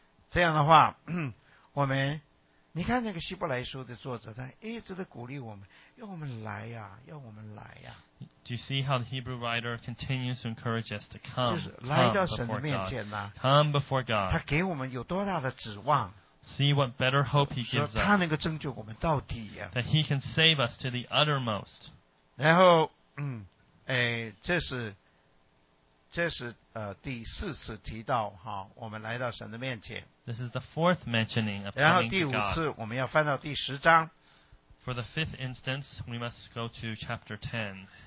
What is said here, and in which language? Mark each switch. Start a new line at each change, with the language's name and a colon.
Chinese: 这样的话，我们你看那个希伯来书的作者他一直的鼓励我们要我们来呀、啊、要我们来呀、啊、
English: Do you see how the Hebrew writer continues to encourage us to come
Chinese: 就是来到神的面前呢、啊、
English: Come before God
Chinese: 他给我们有多大的指望
English: See what better hope he gives us
Chinese: 他能够拯救我们到底呀、啊、
English: That he can save us to the uttermost
Chinese: 然后这是第四次提到哈，我们来到神的面前。
English: This is the fourth mentioning of coming to God.
Chinese: 然后第五次，我们要翻到第十章。
English: For the fifth instance, we must go to chapter 10.